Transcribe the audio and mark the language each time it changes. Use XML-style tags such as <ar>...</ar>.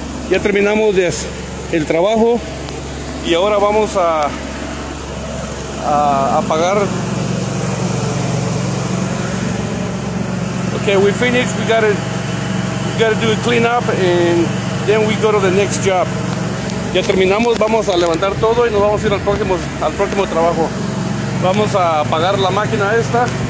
<es>Ya terminamos el trabajo y ahora vamos a pagar.</es> <en>Okay, we finish. We gotta do a clean up and then we go to the next job.</en> <es>Ya terminamos, vamos a levantar todo y nos vamos a ir al próximo trabajo. Vamos a apagar la máquina esta.</es>